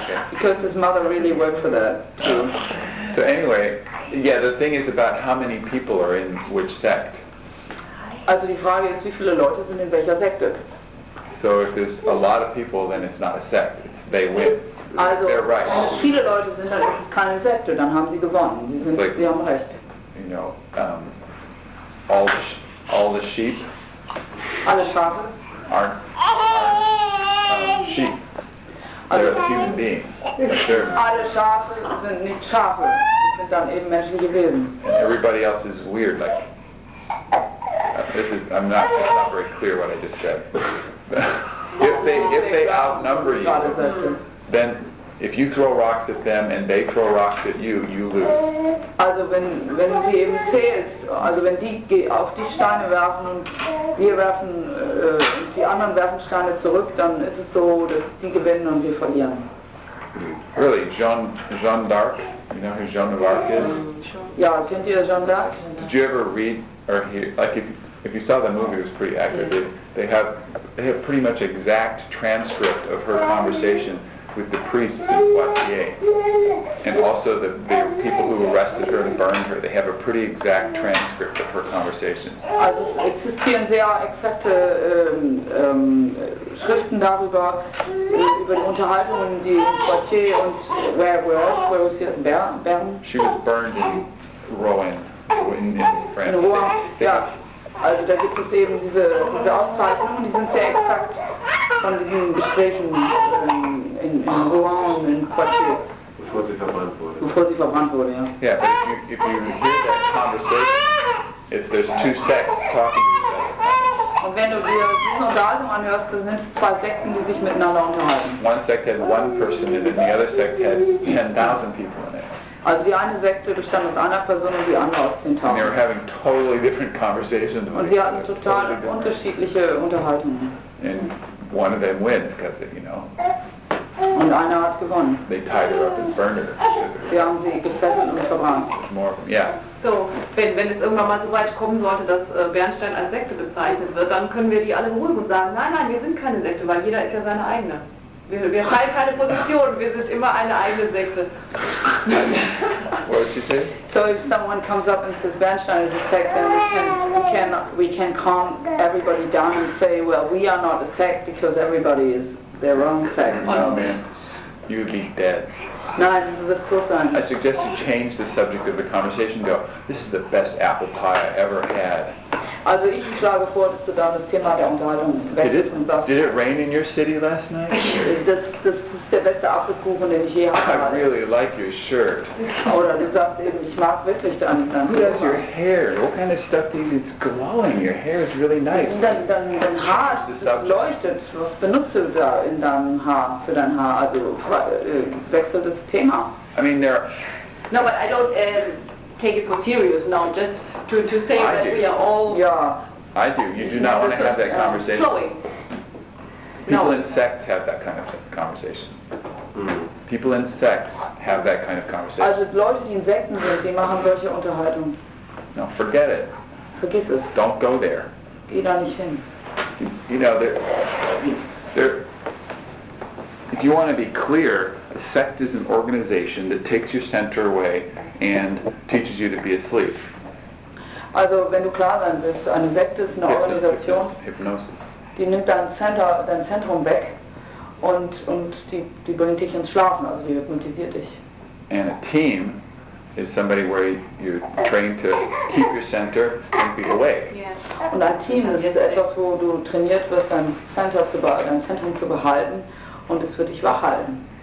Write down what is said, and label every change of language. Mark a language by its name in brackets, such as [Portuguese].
[English] Because his mother really worked for that too. So anyway, yeah, the thing is about how many people are in which sect. [German] Also die Frage ist, wie viele Leute sind in welcher Sekte? [English] So if there's a lot of people, then it's not a sect. It's, they win. [German] Also [English] they're right. [German] Viele Leute sind, dann ist es keine Sekte, dann haben sie gewonnen. Sie haben recht. [English] you know, all the sheep. [German] Alle Schafe? [English] Aren't sheep. They're human beings. [German] Alle Schafe sind nicht Schafe. Das sind dann eben Menschen gewesen. [English] And everybody else is weird, like, it's not very clear what I just said. if they outnumber you, then if you throw rocks at them and they throw rocks at you, you lose. [German] Also wenn du sie eben zählst, also wenn die auf die Steine werfen und wir werfen, die anderen werfen Steine zurück, dann ist es so, dass die gewinnen und wir verlieren. [English] Really, Jeanne d'Arc, you know who Jeanne d'Arc is? [German] Ja, kennt ihr Jeanne d'Arc? [English] Did you ever read or hear, like if you saw the movie, it was pretty accurate. Yeah. They have pretty much exact transcript of her conversation with the priests in Poitiers, and also the people who arrested her and burned her. They have a pretty exact transcript of her conversations. [German] Also es existieren sehr exakte Schriften darüber, über die Unterhaltungen, die in Poitiers und [English] where was [German] sie in Bern? [English] She was burned in Rouen, in France. [German] In Rouen, ja. Also da gibt es eben diese Aufzeichnungen, die sind sehr exakt von diesen Gesprächen in Rouen, in Poitiers. Bevor sie verbrannt wurde, ja. [English] Yeah, but if you hear that conversation, if there's two sects talking to each other. [German] Und wenn du dir diese Unterhaltung anhörst, dann sind es zwei Sekten, die sich miteinander unterhalten. [English] One sect had one person in it, and the other sect had 10,000 people in it. [German] Also die eine Sekte bestand aus einer Person und die andere aus 10,000. [English] And they were having totally different conversations. [German] Und sie hatten total [English] totally [German] unterschiedliche Unterhaltungen. [English] And one of them wins, because you know. [German] Und einer hat gewonnen. [English] They tied her up and burned her. [German] Sie haben sie gefesselt und verbrannt. [English] More of them, yeah. [German] So, wenn es irgendwann mal so weit kommen sollte, dass Bernstein als Sekte bezeichnet wird, dann können wir die alle beruhigen und sagen, nein, wir sind keine Sekte, weil jeder ist ja seine eigene. Wir teilen keine Position, wir sind immer eine eigene Sekte. [English] What did she say? So if someone comes up and says Bernstein is a sect, then we can calm everybody down and say, well, we are not a sect because everybody is their own sect. Oh, man, you would be dead. [German] Nein, du wirst tot sein. [English] I suggest you change the subject of the conversation and go, this is the best apple pie I ever had. [German] Also ich schlage vor, dass du dann das Thema der Unterhaltung wechselst und sagst. [English] Did it rain in your city last night? [German] Das ist der beste Apfelkuchen, den ich je hatte. [English] I really like your shirt. [German] Oder du sagst eben, ich mag wirklich dein Kuchen. [English] Who has your hair? What kind of stuff do you use? It's glowing. Your hair is really nice. [German] Dein Haar, das leuchtet. Was benutzt du da in deinem Haar, für dein Haar? Also wechsel das Thema. [English] I mean, there are... No, but I don't... take it for serious now, just to say I that do. We are all... Yeah. I do. You do not want to have that conversation. People in sects have that kind of conversation. People in sects have that kind of conversation. [German] Also Leute, die in Sekten sind, die machen solche Unterhaltung. [English] No, forget it. [German] Vergiss es. [English] Don't go there. [German] Geh da nicht hin. [English] You know, if you want to be clear, a sect is an organization that takes your center away and teaches you to be asleep. [German] Also, wenn du klar sein willst, eine Sekte ist eine Organisation, [English] Hypnosis. [German] Die nimmt dein Zentrum weg und die bringt dich ins Schlafen, also die hypnotisiert dich. [English] And a team is somebody where you're trained to keep your center and be awake. Yeah. [German] Und ein Team ist etwas, wo du trainiert wirst, dein Zentrum zu behalten und es wird dich wach halten.